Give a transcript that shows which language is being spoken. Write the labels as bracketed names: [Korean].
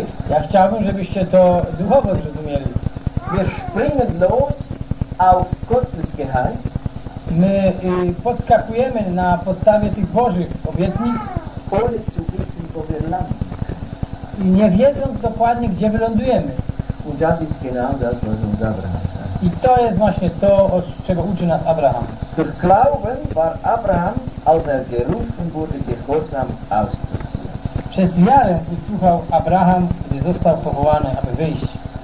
[Polish] Ja chciałbym, żebyście to duchowo zrozumieli. [German] Wir springen los auf Gottes Geheiß. [Polish] My podskakujemy na podstawie tych Bożych obietnic. [German] Ohne zu wissen, wo wir landen. [Polish] I nie wiedząc dokładnie, gdzie wylądujemy. [German] Und das ist genau das, was uns Abraham sagt. [Polish] I to jest właśnie to, od czego uczy nas Abraham. [German] Der Glauben war Abraham, als er gerufen wurde, gehorsam auszuziehen. [Polish] Przez wiarę usłuchał Abraham, gdy został powołany, aby wyjść.